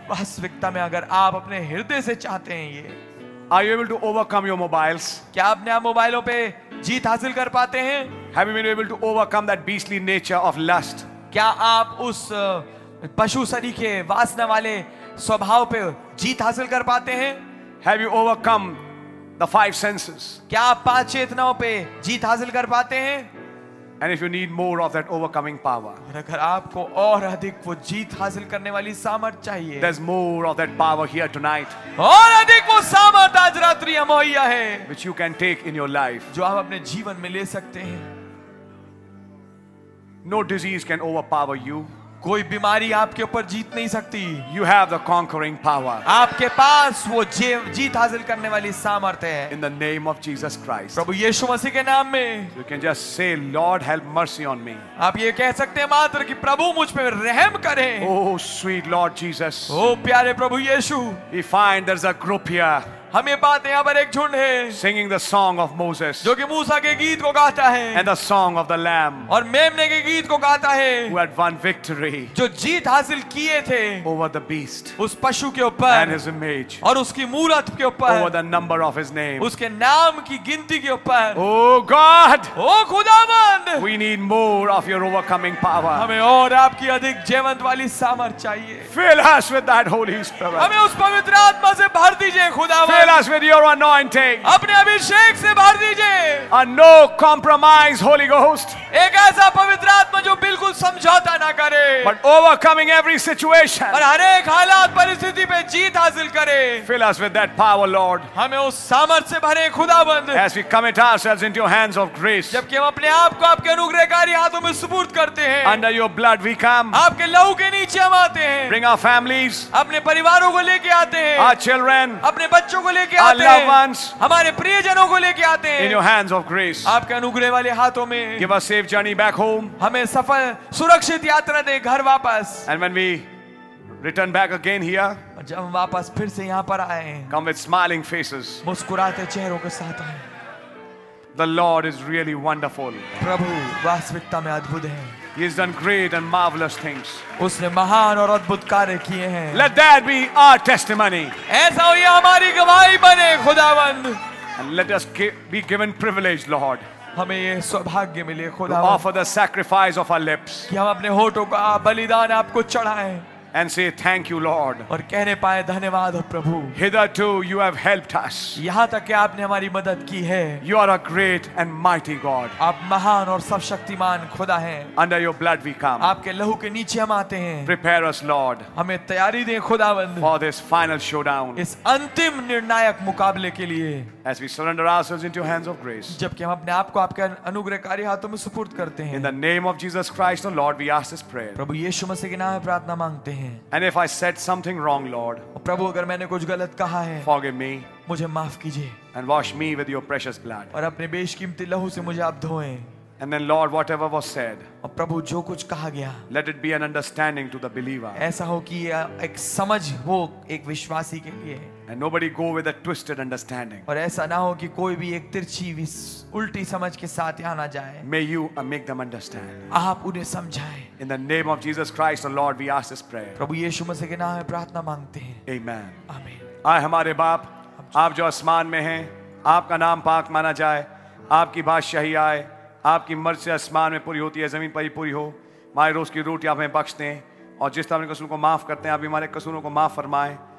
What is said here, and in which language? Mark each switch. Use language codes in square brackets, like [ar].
[hi] वास्तविकता में अगर आप अपने हृदय से चाहते हैं ये. [en] Are you able to overcome your mobiles? [hi] क्या आपने आप मोबाइलों पे जीत हासिल कर पाते हैं? [en] Have you been able to overcome that beastly nature of lust? [hi] क्या आप उस पशु सरी के वासना वाले स्वभाव पे जीत हासिल कर पाते हैं? [en] Have you overcome the five senses? [hi] क्या आप पांच चेतनाओं पे जीत हासिल कर पाते हैं? [en] And if you need more of that overcoming power, [hi] अगर आपको और अधिक वो जीत हासिल करने वाली सामर्थ चाहिए, [en] there's more of that power here tonight, [hi] और अधिक वो सामर्थ आज रात्रि मुहैया है, [en] which you can take in your life, [hi] जो आप अपने जीवन में ले सकते हैं. [en] No disease can overpower you. [hi] कोई बीमारी आपके ऊपर जीत नहीं सकती. [en] You have the conquering power. [hi] आपके पास वो जीत हासिल करने वाली सामर्थ्य है. [en] In the name of Jesus Christ. [hi] प्रभु यीशु मसीह के नाम में. [en] You can just say, Lord, help mercy on me. [hi] आप ये कह सकते हैं मात्र कि प्रभु मुझ पे रहम करें. [en] Oh sweet Lord Jesus. [hi] ओ प्यारे प्रभु यीशु. [en] We find there's a group here. [hi] हमें बात यहाँ पर एक झुंड है. [en] Singing the song of Moses. [hi] जो कि मूसा के गीत को गाता है. [en] And the song of the Lamb. [hi] और मेमने के गीत को गाता है. [en] Who had won victory. [hi] जो जीत हासिल किए थे. [en] Over the beast. [hi] उस पशु के ऊपर. [en] And his image. [hi] और उसकी मूरत के ऊपर. [en] Over the number of his name. [hi] उसके नाम की गिनती के ऊपर. [en] Oh God. [hi] ओ खुदावंद. [en] We need more of your overcoming power. [hi] हमें और आपकी अधिक जीवंत वाली सामर्थ चाहिए. [en] Fill us with that Holy Spirit. [hi] हमें उस पवित्र आत्मा से भर दीजिए खुदावंद. [en] Fill us with your anointing. [hi] अपने अभिषेक से भर दीजिए. [en] A no compromise Holy Ghost. [hi] एक ऐसा पवित्र आत्मा जो बिल्कुल समझौता ना करे. [en] But overcoming every situation. [hi] और हर एक हालात परिस्थिति पे जीत हासिल करे. [en] Fill us with that power, Lord. [hi] हमें उस सामर्थ्य से भरे खुदाबंद. [en] As we commit ourselves into your hands of grace. [hi] जबकि हम अपने आप को आपके अनुग्रहकारी हाथों में सुपुर्द करते हैं. [en] Under your blood we come. [hi] आपके लहू के नीचे हम आते हैं. [en] Bring our families. [hi] अपने परिवारों को लेके आते हैं. [en] Our children. [hi] अपने बच्चों को लेके आते हैं. [en] Our loved ones. [hi] हमारे प्रियजनों को लेके आते हैं. [en] In your hands of grace. [hi] आपके अनुग्रह वाले हाथों में. [en] Give us safe journey back home. [hi] हमें सफल सुरक्षित यात्रा दे घर वापस. [en] And when we return back again here. [hi] जब हम वापस फिर से यहाँ पर आए. [en] Come with smiling faces. [hi] मुस्कुराते चेहरों के साथ आए. [en] The Lord is really wonderful. [hi] प्रभु वास्तविकता में अद्भुत है. [en] He has done great and marvelous things. [hi] उसने महान और अद्भुत कार्य किए हैं. [en] Let that be our testimony. [hi] ऐसा हो ये हमारी गवाही बने खुदावंद. [en] And let us be given privilege, Lord. [hi] हमें ये सौभाग्य मिले खुदा. [en] To offer the sacrifice of our lips. [hi] कि हम अपने होठों का बलिदान आपको चढ़ाएं. [en] And say thank you, Lord. [hi] और कहने पाए धन्यवाद हो प्रभु. [en] Hitherto you have helped us. [hi] यहाँ तक कि आपने हमारी मदद की है. [en] You are a great and mighty God. [hi] आप महान और सर्वशक्तिमान खुदा हैं. [en] Under your blood we come. [hi] आपके लहू के नीचे हम आते हैं. [en] Prepare us, Lord. [hi] हमें तैयारी दें खुदावंद. [en] For this final showdown. [hi] इस अंतिम निर्णायक मुकाबले के लिए. [en] As we surrender ourselves into your hands of grace. [hi] जबकि हम अपने आप को आपके अनुग्रहकारी हाथों में सुपुर्द करते हैं. [en] In the name of Jesus Christ, the Lord, we ask this prayer. [hi] प्रभु यीशु मसीह के नाम में प्रार्थना मांगते हैं. [en] And if I said something wrong, Lord, [hi] प्रभु अगर मैंने कुछ गलत कहा है, [en] forgive me, [hi] मुझे माफ कीजिए, [en] and wash me with your precious blood, [hi] और अपने बेशकीमती लहू से मुझे आप धोएं, [en] and then Lord, whatever was said, [hi] और प्रभु जो कुछ कहा गया, [en] let it be an understanding to the believer, [hi] ऐसा हो कि एक समझ हो एक विश्वासी के लिए, [en] and nobody go with a twisted understanding, [hi] और ऐसा ना हो कि कोई भी एक तिरछी उल्टी समझ के साथ यहाँ ना जाए, [en] may you make them understand, [hi] आप उन्हें समझाएं. [en] In the name of Jesus Christ, the Lord, we ask this prayer. [hi] प्रभु यीशु मसीह के नाम में प्रार्थना मांगते हैं. [en] Amen. Amen. [hi] आए हमारे बाप, आप जो आसमान में हैं, आपका नाम पाक माना जाए, आपकी बादशाही आए, आपकी मर्जी आसमान में पूरी होती है जमीन पर ही पूरी हो. हमारे रोज की रोटी आप हमें बख्श दें, और जिस तरह हमारे कसूरों को माफ करते हैं आप भी हमारे कसूरों को माफ फरमाएं.